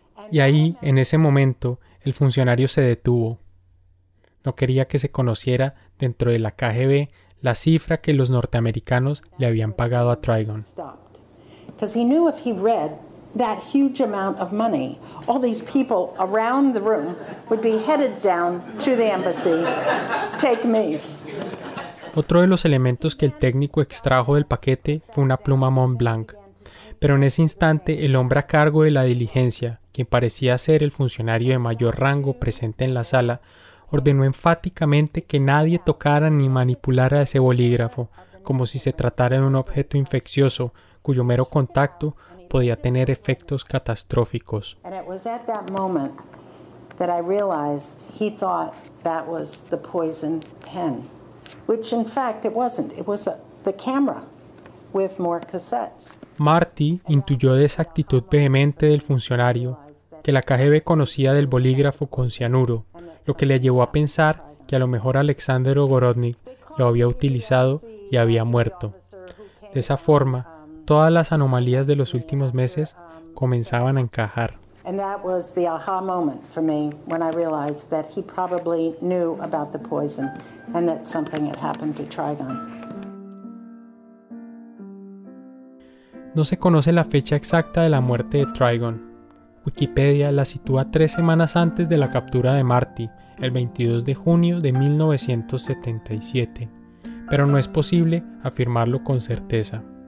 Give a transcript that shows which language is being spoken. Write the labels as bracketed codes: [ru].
[es] Y ahí, en ese momento, el funcionario se detuvo. No quería que se conociera dentro de la KGB la cifra que los norteamericanos le habían pagado a Trigon. [en] Because he knew if he read that huge amount of money, all these people around the room would be headed down to the embassy. Take me. [es] Otro de los elementos que el técnico extrajo del paquete fue una pluma Montblanc. Pero en ese instante, el hombre a cargo de la diligencia, quien parecía ser el funcionario de mayor rango presente en la sala, ordenó enfáticamente que nadie tocara ni manipulara ese bolígrafo, como si se tratara de un objeto infeccioso cuyo mero contacto podía tener efectos catastróficos. [en] And it was at that moment that I realized he thought that was the poison pen, which in fact it wasn't. It was the camera with more cassettes. [es] Marty intuyó de esa actitud vehemente del funcionario que la KGB conocía del bolígrafo con cianuro, lo que le llevó a pensar que a lo mejor Alexander Ogorodnik lo había utilizado y había muerto. De esa forma, todas las anomalías de los últimos meses comenzaban a encajar. [en] And that was the aha moment for me when I realized that he probably knew about the poison and that something had happened to Trigon. [es] No se conoce la fecha exacta de la muerte de Trigon. Wikipedia la sitúa 3 semanas antes de la captura de Marty, el 22 de junio de 1977, pero no es posible afirmarlo con certeza.